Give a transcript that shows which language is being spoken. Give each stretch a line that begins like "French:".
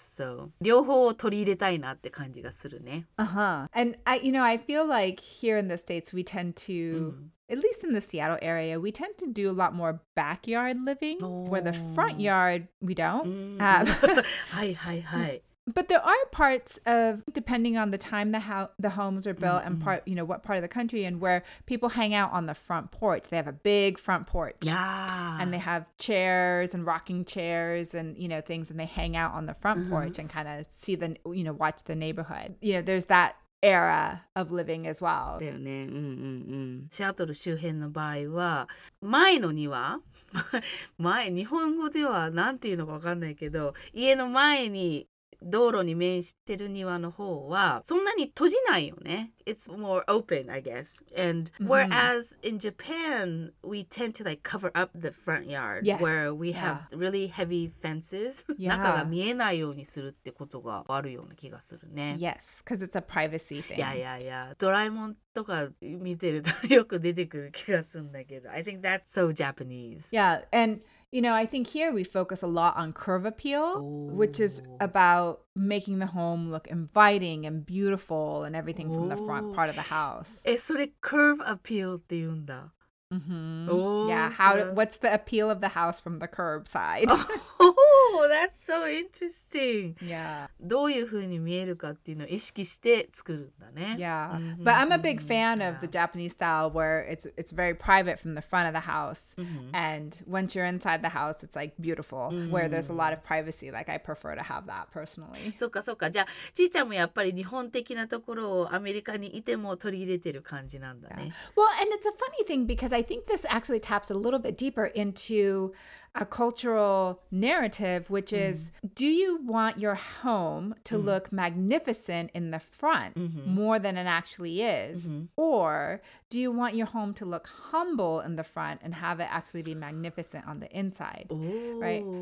Japanese: So 両方を取り入れたいなって感じがするね。
English: Uh-huh. And I, you know, I feel like here in the States, we tend to,、mm-hmm. at least in the Seattle area, we tend to do a lot more backyard living,、 oh. where the front yard, we don't.
Japanese: Hi, hi, hi.
English: But there are parts of, depending on the time the homes are built、mm-hmm. and part, you know, what part of the country, and where people hang out on the front porch. They have a big front porch. Yeah. And they have chairs and rocking chairs and, you know, things, and they hang out on the front、mm-hmm. porch and kind of see the, you know, watch the neighborhood. You know, there's that era of living as well.
Japanese: だよね。シアトル周辺の場合は、前の庭、前、日本語ではなんていうのかわかんないけど、家の前に、道路に面してる庭の方はそんなに閉じないよね。
English: It's more open, I guess. And whereas、mm. in Japan, we tend to like cover up the front yard、 yes. where we have、yeah. really heavy fences.
Japanese: 中が見えないようにするってことがあるような気がするね。
English: Yes, because it's a privacy thing.
Japanese: Yeah, yeah, yeah. ドラえもんとか見てるとよく出てくる気がするんだけど、
English: I think that's so Japanese. Yeah, andYou know, I think here we focus a lot on curve appeal,、 oh. which is about making the home look inviting and beautiful and everything、oh. from the front part of the house.
Japanese: それ curve appeal って言うんだ。
English: Mm-hmm. Oh, yeah, what's the appeal of the house from the curb side? Oh, that's so interesting. Yeah.
Japanese: どういう風に見えるかっていうのを意識して作るんだね。
English: Yeah. Mm-hmm. But I'm a big fan、yeah. of the Japanese style where it's very private from the front of the house.、 Mm-hmm. And once you're inside the house, it's like beautiful、 mm-hmm. where there's a lot of privacy. Like I prefer to have that personally.
Japanese: そうかそうか。じゃあ、ちーちゃんもやっぱり日本的なところをアメリカにいても取り入れてる感じなんだね。
English: Yeah. Well, and it's a funny thing because I think this actually taps a little bit deeper into、 a cultural narrative, which is, do you want your home to look magnificent in the front more than it actually is? Or do you want your home to look humble in the front and have it actually be magnificent on the inside? Right?